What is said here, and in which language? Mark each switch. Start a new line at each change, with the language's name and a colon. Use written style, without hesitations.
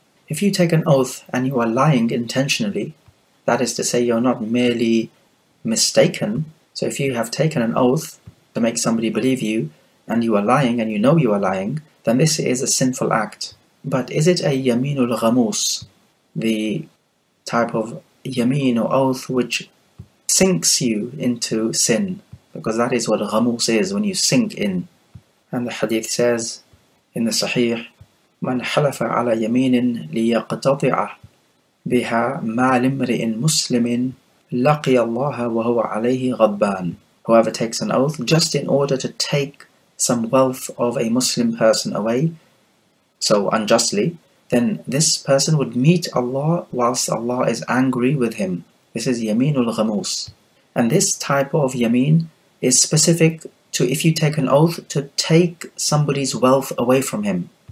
English: If you take an oath and you are lying intentionally, that is to say you're not merely mistaken, so if you have taken an oath to make somebody believe you, and you are lying and you know you are lying, then this is a sinful act. But is it a yaminul ghamus, the type of yamin or oath which sinks you into sin? Because that is what ghamus is, when you sink in.
Arabic: And the hadith says in the Sahih, من حلف على يمين ليقتطع بها مال امرئ مسلم لقي الله وهو عليه غضبان.
English: Whoever takes an oath just in order to take some wealth of a Muslim person away, so unjustly, then this person would meet Allah whilst Allah is angry with him. This is yaminul ghamus. And this type of yamin is specific to if you take an oath to take somebody's wealth away from him.